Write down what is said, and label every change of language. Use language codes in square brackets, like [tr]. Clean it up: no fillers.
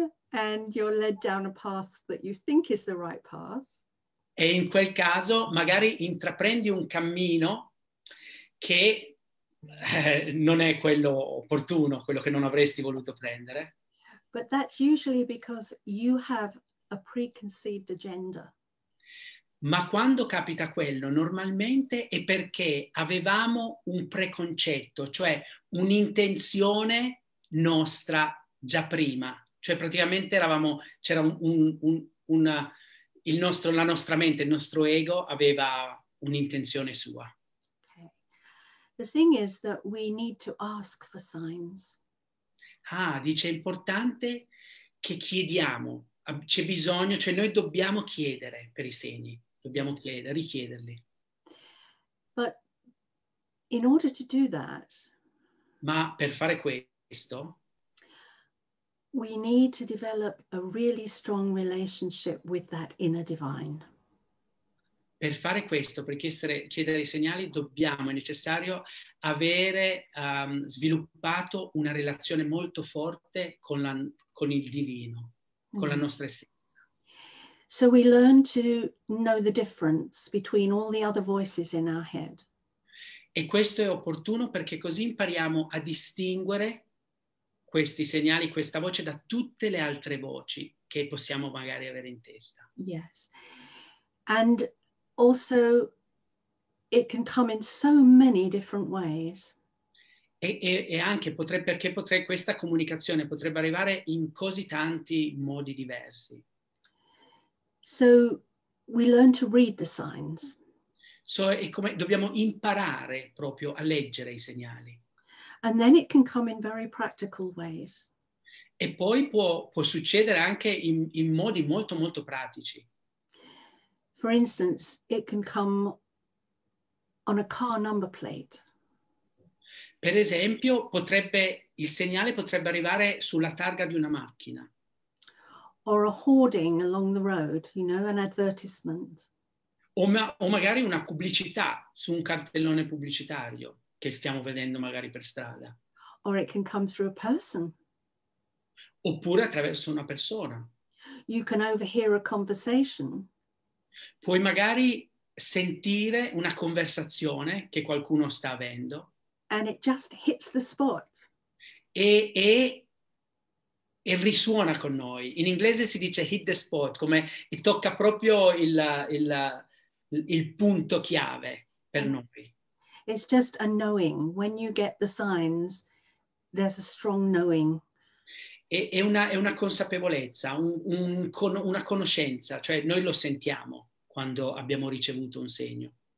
[en] And you're led down a path that you think is the right path. [it] E in quel caso magari intraprendi un cammino che non è quello opportuno, quello che non avresti voluto prendere. [en] But that's usually because you have a preconceived agenda. [it] Ma quando capita quello, normalmente è perché avevamo un preconcetto, cioè un'intenzione nostra già prima. Cioè praticamente eravamo, c'era la nostra mente, il nostro ego aveva un'intenzione sua. [en] Okay. The thing is that we need to ask for signs. [it] Ah, dice, è importante che chiediamo, c'è bisogno, cioè noi dobbiamo chiedere per i segni. Dobbiamo richiederli. [en] But in order to do that, [it] ma per fare questo, [en] we need to develop a really strong relationship with that inner divine. [it] Per fare questo, per chiedere i segnali, dobbiamo, è necessario avere sviluppato una relazione molto forte con il divino, con la nostra essenza. [en] So we learn to know the difference between all the other voices in our head. [it] E questo è opportuno perché così impariamo a distinguere questi segnali, questa voce, da tutte le altre voci che possiamo magari avere in testa. [en] Yes. And also it can come in so many different ways. [it] E anche questa comunicazione potrebbe arrivare in così tanti modi diversi. [en] So we learn to read the signs. [it] So è come dobbiamo imparare proprio a leggere i segnali. [en] And then it can come in very practical ways. [it] E poi può succedere anche in modi molto molto pratici. [en] For instance, it can come on a car number plate. [it] Per esempio, il segnale potrebbe arrivare sulla targa di una macchina. [en] Or a hoarding along the road, you know, an advertisement. [it] O magari una pubblicità su un cartellone pubblicitario che stiamo vedendo magari per strada. [en] Or it can come through a person. [it] Oppure attraverso una persona. [en] You can overhear a conversation. [it] Puoi magari sentire una conversazione che qualcuno sta avendo. [en] And it just hits the spot. [it] E risuona con noi. In inglese si dice [en] hit the spot, [it] come tocca proprio il punto chiave per noi. [en] It's just a knowing. When you get the signs, there's a strong knowing. [it] È una consapevolezza, una conoscenza, cioè noi lo sentiamo quando abbiamo ricevuto un segno.